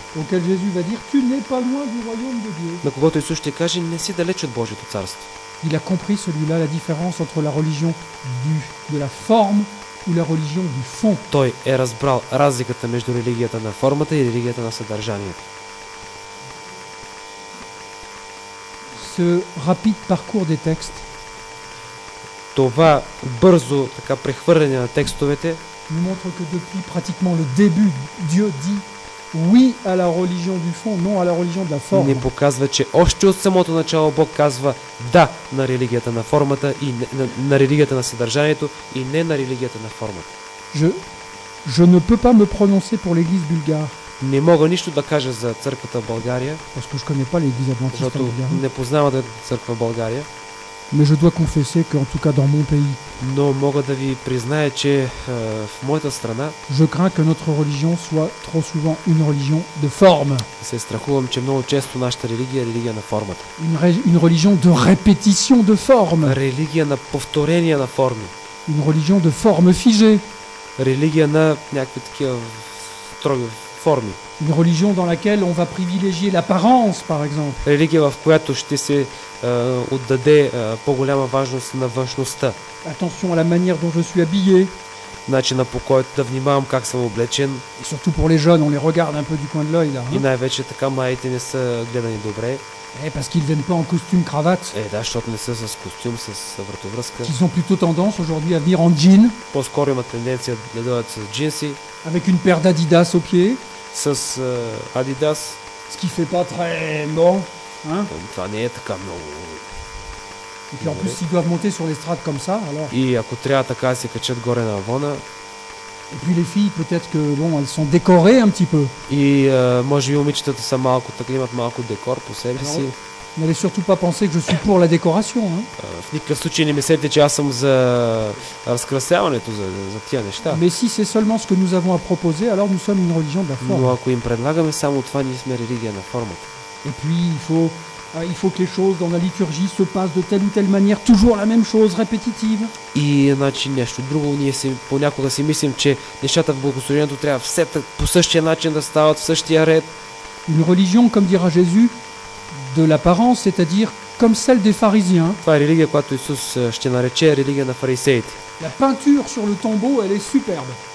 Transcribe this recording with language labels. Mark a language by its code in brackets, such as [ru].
[fr] auquel Jésus va dire, tu n'es pas loin du royaume de Dieu. [bg] На когото Исус ще каже, не си далеч от Божието царство. [fr] Il a compris celui-là la différence entre la religion de la forme ou la religion du fond. [bg] Той е разбрал разликата между религията на формата и религията на съдържанието. [fr] Ce rapide parcours des textes. [bg] Това бързо така прехвърляне на текстовете [fr] nous montre que depuis pratiquement le début, Dieu dit oui à la religion du fond, non à la religion de la forme. [bg] Не показва, че още от самото начало Бог казва да на религията на формата и на религията на съдържанието и не на религията на формата. [fr] Je ne peux pas me prononcer pour l'église bulgare. [bg] Не мога нищо да кажа за църквата в България. [fr] Parce que je connais pas l'église adventiste en Bulgarie. [bg] Не познавам да църква в България. [fr] Mais je dois confesser que en tout cas dans mon pays. [bg] Но мога да ви призная, че в моята страна. [fr] Je crains que notre religion soit trop souvent une religion de forme. [bg] Се страхувам, че много често нашата религия е религия на формата. [fr] Une religion de répétition de forme. [bg] Религия на повторение на форми. [fr] Une religion de forme figée. [bg] Религия на някакви такива строги форми. [fr] Une religion dans laquelle on va privilégier l'apparence, par exemple. [bg] Религия, в която ще се отдаде по-голяма важност на външността. [fr] Attention à la manière dont je suis habillé. [bg] Начина, по който да внимавам как съм облечен. [fr] Et surtout pour les jeunes, on les regarde un peu du coin de l'œil là. [bg] И най-вече така младите не са гледани добре. [fr] Eh, parce qu'ils viennent pas en costume cravate. [bg] Eh, да, защото не са с костюм, с вратовръзка. [fr] Ils ont plutôt tendance aujourd'hui à venir en jean. [bg] По-скоро имат тенденция да дойдат с джинси. [fr] Avec une paire d'Adidas au pied. [bg] С Adidas. [fr] Ce qui fait pas très bon, hein? [bg] Това не е така много. [fr] Et puis en plus, ils doivent monter sur l'estrade comme ça, alors. [bg] И ако трябва така се качат горе на вона. [fr] Et puis les filles, peut-être que bon, elles sont décorées un petit peu. [bg] И може би момичетата са малко, така имат малко декор по себе си. [fr] N'allez surtout pas penser que je suis pour la décoration, hein. [bg] В никакъв случай не мислете, че аз съм за разкрасяването, за тия неща. [fr] Mais si c'est seulement ce que nous avons à proposer, alors nous sommes une religion de la forme. [bg] Но ако им предлагаме само това, ние сме религия на формата. [fr] Et puis il faut que les choses dans la liturgie se passent de telle ou telle manière, toujours la même chose, répétitive. [bg] И значи нещо друго, ние си понякога си мислим, че нещата в благословението трябва все по същия начин да стават, в същия ред. [fr] Une religion, comme dira Jésus, de l'apparence, c'est-à-dire comme celle des pharisiens. [bg] Това е религия, която Исус ще нарече религия на фарисеите. [fr] La peinture sur le tombeau, elle est superbe.